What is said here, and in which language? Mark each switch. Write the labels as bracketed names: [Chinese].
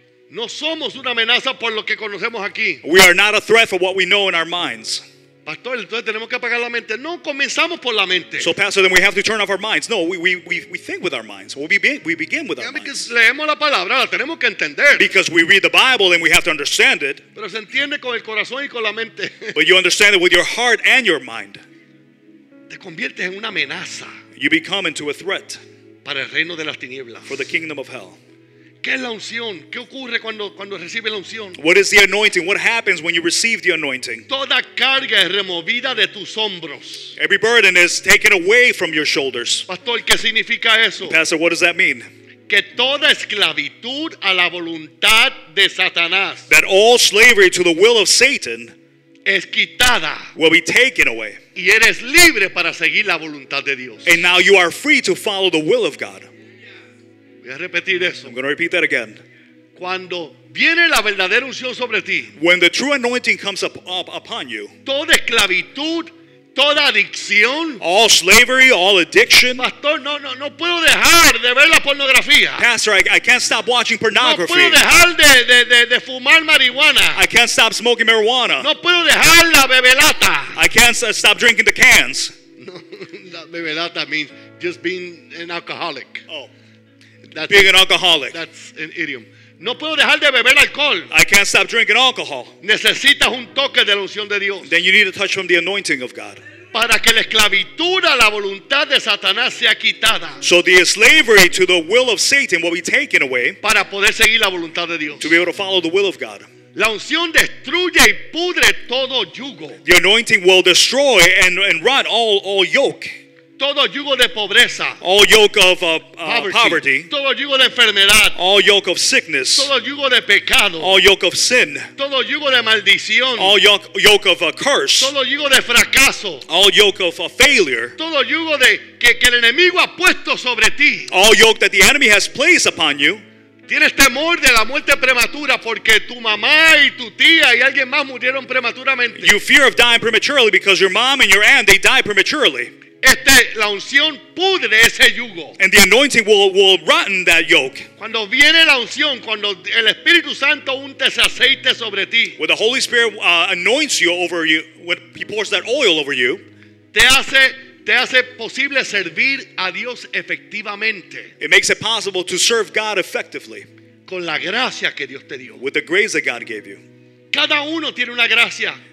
[Spanish] No somos una amenaza por lo que conocemos aquí. [English] We are not a threat for what we know in our minds. [Spanish] Pastor, entonces tenemos que apagar la mente. No, comenzamos por la mente. [English] So, pastor, then we have to turn off our minds. No, we think with our minds. We begin with our minds. [Spanish] Leemos la palabra, la tenemos que entender. [English] Because we read the Bible, then we have to understand it. [Spanish] Pero se entiende con el corazón y con la mente. [English] But you understand it with your heart and your mind. [Spanish] Te conviertes en una amenaza. [English] You become into a threat. [Spanish] Para el reino de las tinieblas. [English] For the kingdom of hell. [Spanish] ¿Qué es la unción? ¿Qué ocurre cuando recibe la unción? [English] What is the anointing? What happens when you receive the anointing? [Spanish] Toda carga es removida de tus hombros. [English] Every burden is taken away from your shoulders. [Spanish] Pastor, ¿qué significa eso? [English] Pastor, what does that mean? [Spanish] Que toda esclavitud a la voluntad de Satanás. [English] That all slavery to the will of Satan. [Spanish] Es quitada. [English] Will be taken away. [Spanish] Y eres libre para seguir la voluntad de Dios. [English] And now you are free to follow the will of God. [Spanish] Voy a repetir eso. [English] I'm going to repeat that again. [Spanish] Cuando viene la verdadera unción sobre ti. [English] When the true anointing comes up upon you. [Spanish] Toda esclavitud, toda adicción. [English] All slavery, all addiction. [Spanish] Pastor, no puedo dejar de ver la pornografía. [English] Pastor, I can't stop watching pornography. [Spanish] No puedo dejar de fumar marihuana. [English] I can't stop smoking marijuana. [Spanish] No puedo dejar la bebelata. [English] I can't stop drinking the cans. No, bebelata means just being an alcoholic. Oh. That's being an alcoholic. That's an idiom. [Spanish] No puedo dejar de beber alcohol. [English] I can't stop drinking alcohol. [Spanish] Necesitas un toque de la unción de Dios. [English] Then you need a touch from the anointing of God. [Spanish] Para que la esclavitud a la voluntad de Satanás sea quitada. [English] So the slavery to the will of Satan will be taken away. [Spanish] Para poder seguir la voluntad de Dios. [English] To be able to follow the will of God. [Spanish] La unción destruye y pudre todo yugo. [English] The anointing will destroy and rot all yoke. [Spanish] Todo yugo de pobreza. [English] All yoke of poverty. [Spanish] Todo yugo de enfermedad. [English] All yoke of sickness. [Spanish] Todo yugo de pecado. [English] All yoke of sin. [Spanish] Todo yugo de maldición. [English] All yoke of a curse. [Spanish] Todo yugo de fracaso. [English] All yoke of a failure. [Spanish] Todo yugo de que el enemigo ha puesto sobre ti. [English] All yoke that the enemy has placed upon you. [Spanish] Tienes temor de la muerte prematura porque tu mamá y tu tía y alguien más murieron prematuramente. [English] You fear of dying prematurely because your mom and your aunt, they died prematurely. [Spanish] La unción pudre ese yugo. [English] And the anointing will rotten that yoke. [Spanish] Cuando viene la unción, cuando el Espíritu Santo unta ese aceite sobre ti. [English] When the Holy Spirit anoints you over you, when he pours that oil over you. [Spanish] Te hace posible servir a Dios efectivamente. [English] It makes it possible to serve God effectively. [Spanish] Con la gracia que Dios te dio. [English] With the grace that God gave you. [Spanish] Cada uno tiene una gracia.